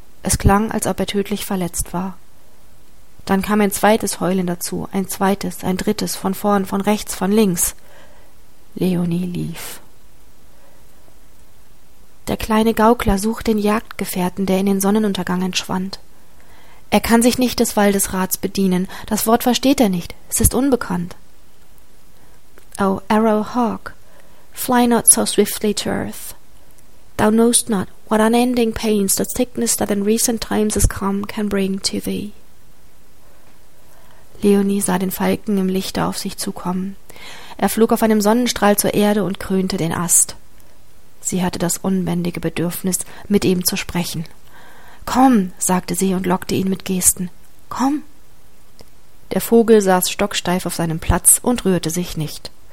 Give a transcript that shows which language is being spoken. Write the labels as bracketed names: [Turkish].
[German] Es klang, als ob er tödlich verletzt war. Dann kam ein zweites Heulen dazu, ein zweites, ein drittes, von vorn, von rechts, von links. Leonie lief. Der kleine Gaukler sucht den Jagdgefährten, der in den Sonnenuntergang entschwand. Er kann sich nicht des Waldesrats bedienen, das Wort versteht er nicht, es ist unbekannt. [English] Oh, Arrow Hawk, fly not so swiftly to earth. Thou knowest not what unending pains the sickness that in recent times has come can bring to thee. [German] Leonie sah den Falken im Lichte auf sich zukommen. Er flog auf einem Sonnenstrahl zur Erde und krönte den Ast. Sie hatte das unbändige Bedürfnis, mit ihm zu sprechen. »Komm«, sagte sie und lockte ihn mit Gesten. »Komm«. Der Vogel saß stocksteif auf seinem Platz und rührte sich nicht.